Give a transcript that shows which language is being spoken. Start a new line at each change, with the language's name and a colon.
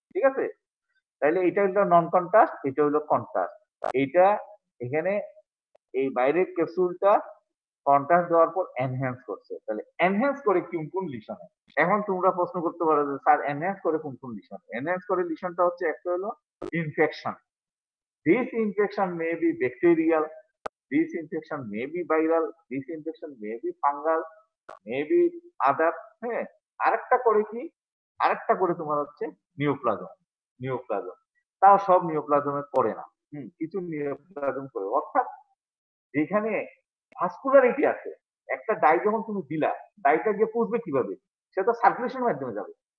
Bangla: ঠিক আছে, তাহলে এটা হলো নন কন্ট্রাস্ট, এটা হলো কন্ট্রাস্ট। এটা এখানে এই বাইরের ক্যাপসুলটা কন্ট্রাস্ট দেওয়ার পর এনহ্যান্স করছে। তাহলে এনহ্যান্স করে কোন কোন লিশন হয়? এখন তোমরা প্রশ্ন করতে পারো যে স্যার এনহ্যান্স করে কোন কোন লিশন, এনহ্যান্স করে লিশনটা হচ্ছে একটা হলো infection.
English: This infection may be bacterial, this infection may be viral, this infection may be fungal, may be other.
Bangla: হ্যাঁ, আরেকটা করে কি, আরেকটা করে তোমার হচ্ছে নিওপ্লাজম, নিওপ্লাজম, তাও সব নিওপ্লাজমে পড়ে না, কিছু নিওপ্লাজম করে। অর্থাৎ যেখানে ভাস্কুলারিটি আছে, একটা ডাই যখন তুমি দিলা, ডাইটা গিয়ে পুষবে কিভাবে, সে তো সার্কুলেশনের মাধ্যমে যাবে।